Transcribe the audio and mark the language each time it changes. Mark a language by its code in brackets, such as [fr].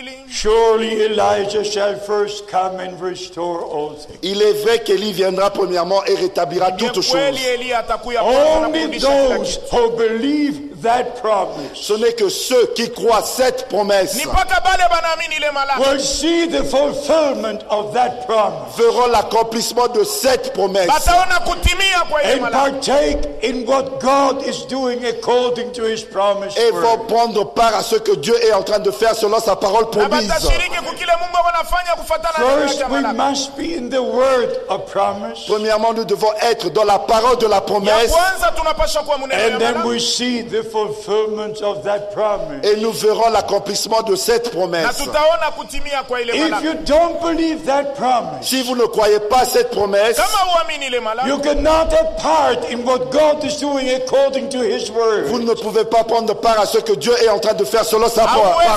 [en] Surely Elijah shall first come and restore all things. [fr] Il est vrai qu'Élie viendra premièrement et rétablira toutes choses. [en] Only those who believe that promise. [fr] Ce n'est que ceux qui croient cette promesse. [en] Will see the fulfillment of that promise. [fr] Verront l'accomplissement de cette promesse. [en] And partake in what God is doing according to His promise. [fr] Et vont prendre part à ce que Dieu est en train de faire selon sa parole promise. [en] First, we must be in the word of promise. [fr] Premièrement, nous devons être dans la parole de la promesse. [en] And then we see the fulfillment of that promise. [fr] Et nous verrons l'accomplissement de cette promesse. [en] If you don't believe that promise, [fr] si vous ne croyez pas cette promesse, [en] you cannot have part in what God is doing according to His word. [fr] Vous ne pouvez pas prendre part à ce que Dieu est en train de faire selon sa parole.